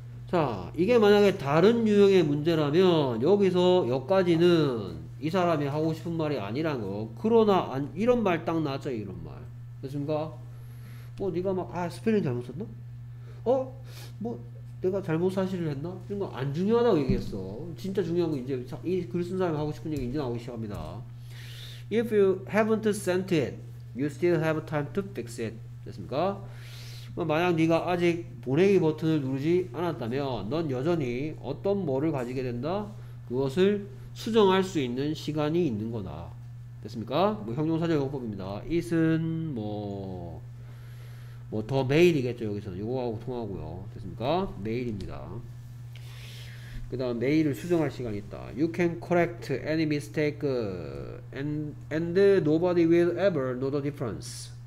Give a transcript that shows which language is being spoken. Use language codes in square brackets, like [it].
[ko] 자, 이게 만약에 다른 유형의 문제라면 여기서 여기까지는 이 사람이 하고 싶은 말이 아니란 거. 그러나 안, 이런 말 딱 나왔죠, 이런 말. 됐습니까? 뭐 네가 막 아, 스펠링 잘못 썼나? 어? 뭐 내가 잘못 사실을 했나? 이런 거 안 중요하다고 얘기했어. 진짜 중요한 건 이제 이 글 쓴 사람이 하고 싶은 얘기 이제 나오기 시작합니다. [en] If you haven't sent it, you still have time to fix it. [ko] 됐습니까? 만약 네가 아직 보내기 버튼을 누르지 않았다면 넌 여전히 어떤 뭐를 가지게 된다? 그것을 수정할 수 있는 시간이 있는 거다. 됐습니까? 뭐 형용사적 용법입니다. it은 뭐 더 메일이겠죠. 여기서는 요거하고 통하고요. 됐습니까? 메일입니다. 그 다음 메일을 수정할 시간이 있다. [en] You can correct any mistake and nobody will ever know the difference.